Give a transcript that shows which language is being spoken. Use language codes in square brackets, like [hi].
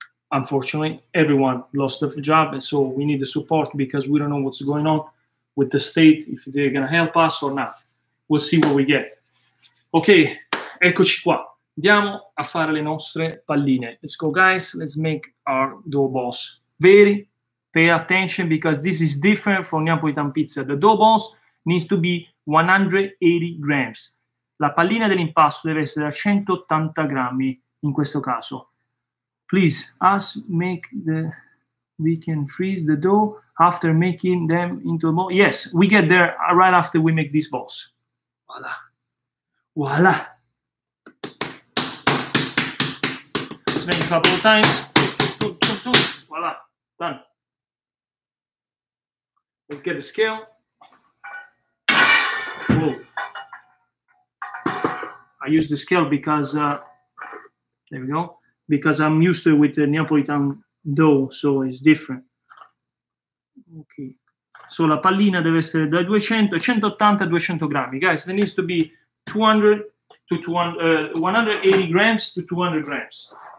[en] Unfortunately, everyone lost the job. And so we need the support because we don't know what's going on with the state, if they're going to help us or not. We'll see what we get. Okay. [it] Eccoci qua. andiamo a fare le nostre palline. [en] Let's go, guys. Let's make our dough balls. Very pay attention because this is different from Neapolitan pizza. The dough balls needs to be 180 grams. [it] La pallina dell'impasto deve essere da 180 grammi in questo caso. [en] Please, us make the... We can freeze the dough after making them into a ball. Yes, we get there right after we make these balls. Voilà. Voilà. Let's make a couple of times. Voilà. Done. Let's get the scale. Whoa. I use the scale because, there we go, because I'm used to it with the Neapolitan dough, so it's different. Okay. [it] So la pallina deve essere da 180 a 200 grammi. [en] Guys, there needs to be 180 grams to 200 grams.